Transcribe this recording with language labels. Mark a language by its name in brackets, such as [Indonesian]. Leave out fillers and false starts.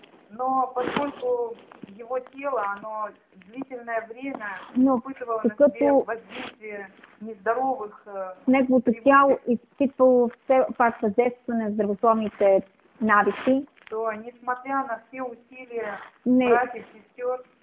[Russian] Но поскольку его тело, оно длительное время испытывало на себе воздействие нездоровых привычек. [Bulgarian] Неговото тяло изпитвало все пак въздействие на здравословните навици. [Russian] То, несмотря на все усилия братьев и сестер,